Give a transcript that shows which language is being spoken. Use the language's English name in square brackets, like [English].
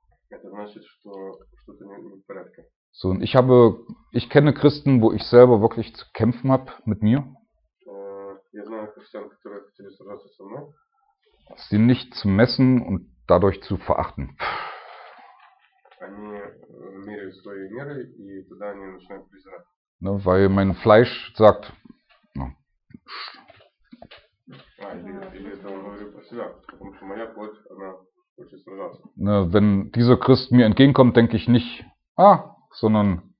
[Russian] Это значит, что что-то не в порядке. [German] So, und ich kenne Christen, wo ich selber wirklich zu kämpfen habe mit mir. [Russian] Я знаю христиан, которые хотели сражаться со мной. [German] Sie nicht zu messen und dadurch zu verachten. [Russian] Они меряют свои меры, и тогда они начинают презирать. [German] Ne, weil mein Fleisch sagt... [Russian] Или это он говорит про себя, потому что моя плоть, она хочет сражаться. [German] Ne, wenn dieser Christ mir entgegenkommt, denke ich nicht, sondern...